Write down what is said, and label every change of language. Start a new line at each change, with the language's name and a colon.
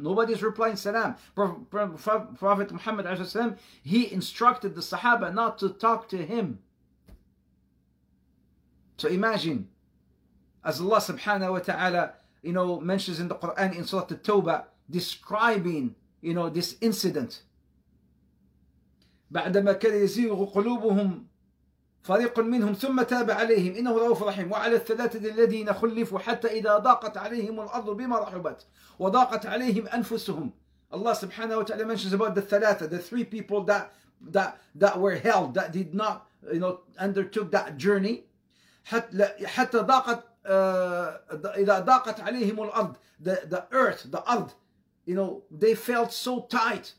English: Nobody's replying salam. Prophet Muhammad, he instructed the sahaba not to talk to him. So imagine, as Allah subhanahu wa ta'ala, you know, mentions in the Quran in Surah At-Tawbah, describing, you know, this incident.
Arabic: بعدما كان يزيغ قلوبهم فريق منهم ثم تاب عليهم إنه رؤوف رحيم وعلى الثلاثة الذين خلفوا حتى إذا ضاقت عليهم الأرض بما رحبت وضاقت عليهم أنفسهم.
English: Allah subhanahu wa ta'ala mentions about the thalatha, the three people that were held, that did not, you know, undertook that journey.
Arabic: حتى ضاقت إذا ضاقت عليهم الأرض,
English: the earth, you know, they felt so tight.